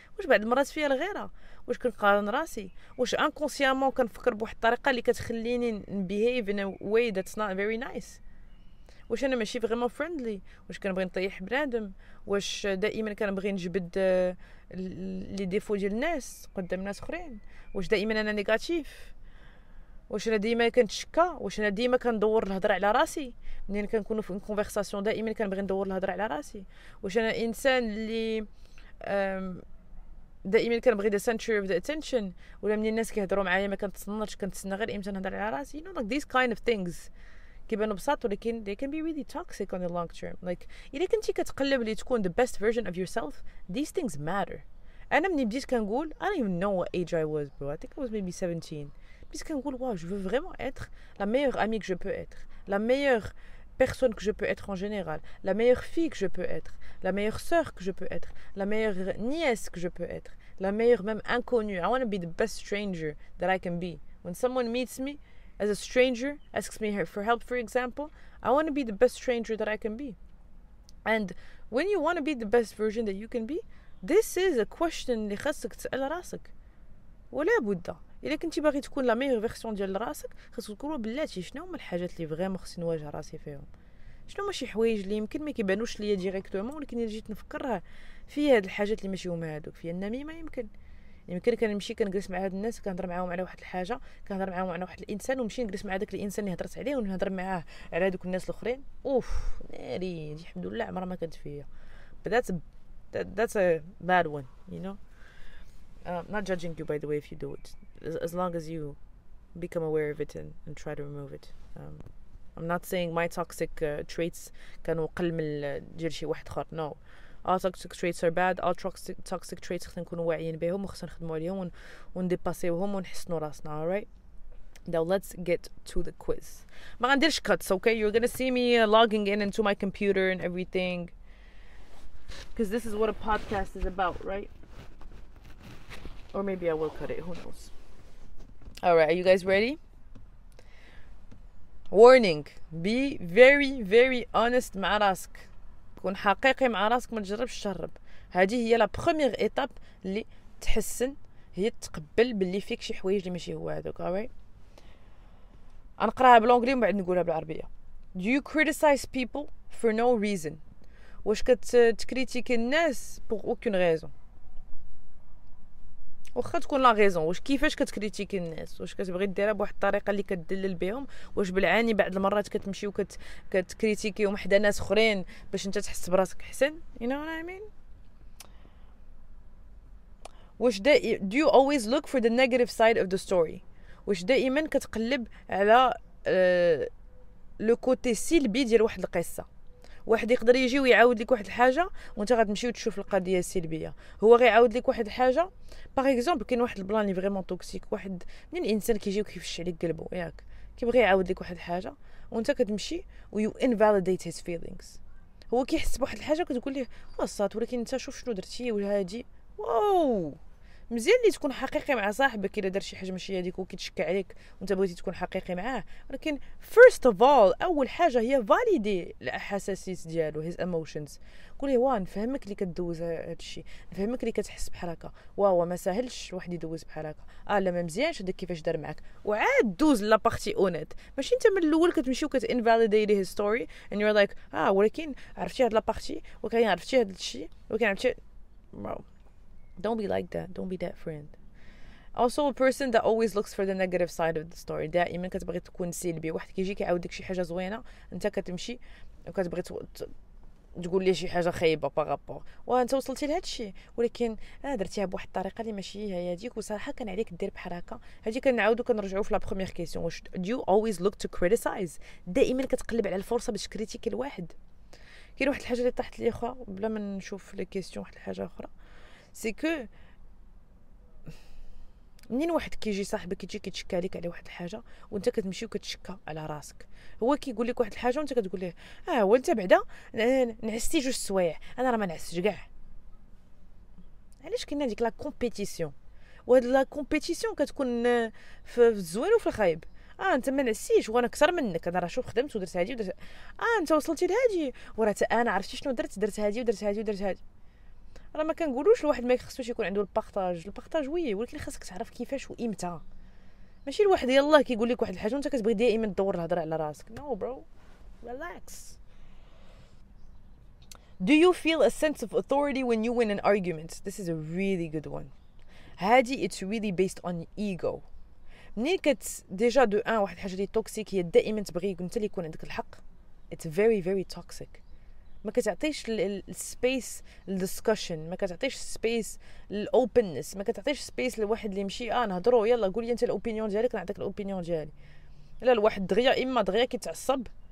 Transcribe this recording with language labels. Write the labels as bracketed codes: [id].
[ar] واش بعض المرات فيا الغيره، واش كنقارن راسي، واش انكونسيامون كنفكر بواحد الطريقه اللي كتخليني [en] نبيهيف in way that's not very nice, [ar] واش انا ماشي فريمون فريندلي، واش كنبغي نطيح بنادم، واش دائما كنبغي نجبد لي ديفو ديال الناس قدام ناس اخرين، واش دائما انا نيجاتيف، واش انا ديما كنتشكى، واش انا ديما كندور الهضره على راسي منين كنكونوا في كونفرساسيون دائما كنبغي ندور الهضره على راسي، واش انا انسان اللي دائما كنبغي [en] the centre of the attention, [ar] ولا منين الناس كيهضروا معايا ما كنتصنتش كنتسنى غير امتى نهضر على راسي. [en] no this kind of things [ar] كيبانوا بساط ولكن [en] they can be really toxic on the long term. Like [ar] إذا كنتي كتقلب لي تكون [en] the best version of yourself, these things matter. [ar] أنا مني بديت كنقول [en] I don't even know what age I was, bro. I think I was maybe 17. [ar] بديت كنقول واو [fr] je veux vraiment être la meilleure amie que je peux être, la meilleure personne que je peux être en général, la meilleure fille que je peux être, la meilleure sœur que je peux être, la meilleure nièce que je peux être, la meilleure même inconnue. [en] I want to be the best stranger that I can be. When someone meets me as a stranger, asks me for help, for example, I want to be the best stranger that I can be. And when you want to be the best version that you can be, this is a question [ar] اللي خاصك تسأل راسك. ولا بد. إذا كنتي باغي تكون لا ميور فيرسيون ديال راسك خاصك تقول بلاتي شنو هما الحاجات اللي فريمون خصني نواجه راسي فيهم, شنو هما شي حوايج اللي يمكن ما كيبانوش ليا ديريكتومون ولكن الا جيت نفكرها في هاد الحاجات اللي ماشي هما هادوك في النميمه, يمكن كنمشي كنجلس مع هاد الناس كنهضر معاهم على واحد الحاجه, كنهضر معاهم على واحد الانسان ونمشي نجلس مع داك الانسان اللي هضرت عليه ونهضر معاه على هادوك الناس الاخرين. اوف ناري الحمد لله عمرها ما كانت فيا. [en] That's a bad one, you know. Not judging you by the way if you do it, as long as you become aware of it and try to remove it. I'm not saying my toxic traits [ar] كانوا قل من ديال شي واحد اخر. [en] No, all toxic traits are bad. All toxic traits [ar] خصنا نكونوا واعيين بهم وخصنا نخدموا عليهم ونديباسيوهم ونحسنوا راسنا. [en] All right, now let's get to the quiz. [ar] ما غنديرش كاتس, [en] okay, you're gonna see me logging in into my computer and everything because this is what a podcast is about, right? Or maybe I will cut it, who knows. All right, are you guys ready? Warning, be very very honest [ar] مع راسك, كون حقيقي مع راسك, ما تجربش تهرب. هذه هي لا بروميير ايتاب اللي تحسن, هي تقبل باللي فيك شي حوايج اللي ماشي هو هذوك. [en] All right, [ar] نقراها بالانكلي ومن بعد نقولها بالعربيه. [en] Do you criticize people for no reason? [ar] واش كتكريتيك الناس [fr] pour aucune raison؟ [ar] واخا تكون لا غيزون, واش كيفاش كتكريتيكي الناس؟ واش كتبغي ديرها بواحد الطريقه اللي كدلل بهم؟ واش بالعاني بعض المرات كتمشي وكتكريتيكي وحده ناس اخرين باش انت تحس براسك احسن؟ [en] You know what I mean? واش do you always look for the negative side of the story? [ar] واش دائما كتقلب على لو كوتي سلبي ديال واحد القصه؟ واحد يقدر يجي ويعاود لك واحد الحاجه وانت غتمشي وتشوف القضيه السلبيه, هو غيعاود لك واحد الحاجه. باغ اكزومبل كاين واحد البلان لي فريمون توكسيك, واحد منين الانسان كيجي وكيفش عليك قلبه ياك, كيبغي يعاود لك واحد الحاجه وانت كتمشي [en] ويو invalidate his feelings. [ar] هو كيحس بواحد الحاجه كتقول ليه واصات ولكن انت شوف شنو درتي وهادي. واو مزيان اللي تكون حقيقي مع صاحبك الا دار شي حاجه ماشي هذيك وكيتشكى عليك وانت بغيتي تكون حقيقي معاه, ولكن فيرست اوف اول حاجه هي فاليدي الاحاسيس ديالو, [en] His emotions. [ar] قولي واه نفهمك اللي كدوز هذا الشيء, نفهمك اللي كتحس بحال هكا, واه ما ساهلش واحد يدوز بحال هكا, لا ما مزيانش هذا كيفاش دار معك, وعاد دوز لا بارتي اونيت. ماشي انت من الاول كتمشي وكت انفاليديتي [en] his story and you are like [ar] ولكن عرفتي هاد لا بارتي وكاين عرفتي هاد الشيء وكاين عرفتي. [en] Don't be like that. Don't be that friend. Also, a person that always looks for the negative side of the story. [ar] دائما كتبغي تكون سلبي. واحد كيجي كيعاود لك شي حاجه زوينه, انت كتمشي وكتبغي تقول ليه شي حاجه خايبه بارابور. وانت وصلتي لهذا الشيء ولكن درتيها بواحد الطريقه اللي ماشي هي هذيك, وصراحه كان عليك دير بحال هكا. هذه كنعاودو كنرجعو في لا بروميير كيسيون. [en] واش you always look to criticize? [ar] دائما كتقلب على الفرصه باش كريتيكي الواحد. كاين واحد الحاجه اللي طاحت لي اخرى بلا ما نشوف لي كيسيون, واحد الحاجه اخرى سي كو منين واحد كيجي صاحبك كيجي كيتشكى عليك على واحد الحاجه وانت كتمشي وكتشكى على راسك, هو كيقول لك واحد الحاجه وانت كتقول ليه وانت بعدا نعستي جوج سوايع انا راه ما نعسش كاع. علاش كاين هذيك لا كومبيتيسيون؟ وهاد لا كومبيتيسيون كتكون في الزوين وفي الخايب. انت ما نعسيش وانا اكثر منك, انا راه شوف خدمت ودرت هادي ودرت انت وصلتي لهادي وراه انا عرفتي شنو درت, درت هادي ودرت هادي ودرت هادي. راه ما كنقولوش الواحد ما خصوش يكون عنده البارطاج وي, ولكن خاصك تعرف كيفاش وامتى. ماشي الواحد يلاه كيقول لك واحد الحاجه وانت كتبغي دائما تدور الهضره على راسك. [en] No bro relax. Do you feel a sense of authority when you win an argument? This is a really good one. هادي it's really based on ego. [ar] ملي كت ديجا دو ان واحد الحاجه اللي توكسيك هي دائما تبغي انت اللي يكون عندك الحق. [en] It's very very toxic. [ar] ما كتعطيش السبيس للديسكشن, ما كتعطيش سبيس للاوبننس, ما كتعطيش سبيس لواحد اللي يمشي نهضروا يلا قول لي انت الاوبينيون ديالك نعطيك الاوبينيون ديالي. لا الواحد دغيا اما دغيا كيتعصب